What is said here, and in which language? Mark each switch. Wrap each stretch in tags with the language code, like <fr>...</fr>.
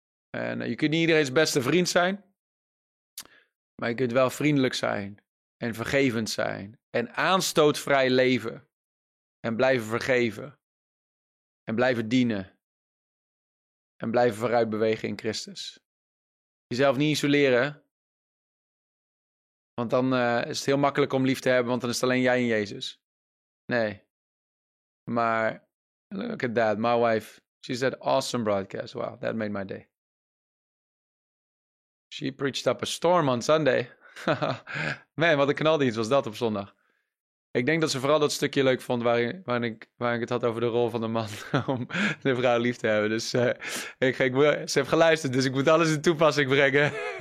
<nl>En je kunt niet iedereen's beste vriend zijn, maar je kunt wel vriendelijk zijn en vergevend zijn en aanstootvrij leven en blijven vergeven en blijven dienen en blijven vooruit bewegen in Christus. Jezelf niet isoleren, want dan is het heel makkelijk om lief te hebben, want dan is het alleen jij en Jezus. Nee, maar</nl> <en>look at that, my wife, she said awesome broadcast, wow, that made my day. She preached up a storm on Sunday.</en> <nl>Man, wat een knaldienst was dat op zondag. Ik denk dat ze vooral dat stukje leuk vond waarin ik het had over de rol van de man om de vrouw lief te hebben. Dus ze heeft geluisterd, dus ik moet alles in toepassing brengen.</nl>